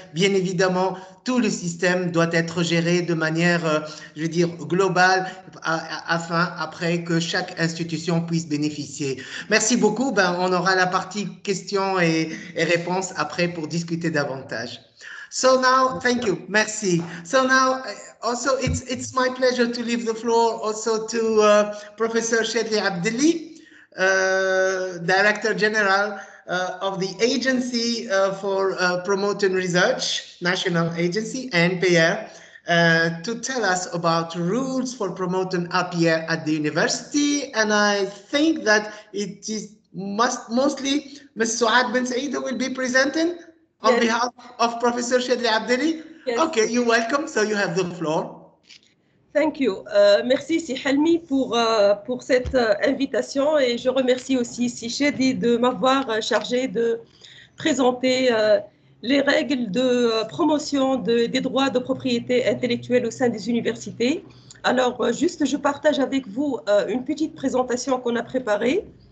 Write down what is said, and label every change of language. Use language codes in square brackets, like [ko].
[fr] Bien évidemment, tout le système doit être géré de manière, je veux dire, globale, afin après que chaque institution puisse bénéficier. Merci beaucoup. Ben, on aura la partie questions et réponses après pour discuter davantage. [en] So now, thank you. Merci. So now, also, it's my pleasure to leave the floor also to Professor Shedli Abdelli, Director General of the Agency for Promoting Research, National Agency, NPR, to tell us about rules for promoting RPR at the university. And I think that it is mostly Ms. Suad Ben Saïd will be presenting. On behalf of Professor Shedli Abdelli, Okay, you're welcome, so you have the floor. Thank you. [fr] Merci, Sihelmi, pour cette invitation. Et je remercie aussi Sihelmi de m'avoir chargé de présenter les règles de promotion des droits de propriété intellectuelle au sein des universités. Alors, juste, je partage avec vous une petite présentation qu'on a préparée.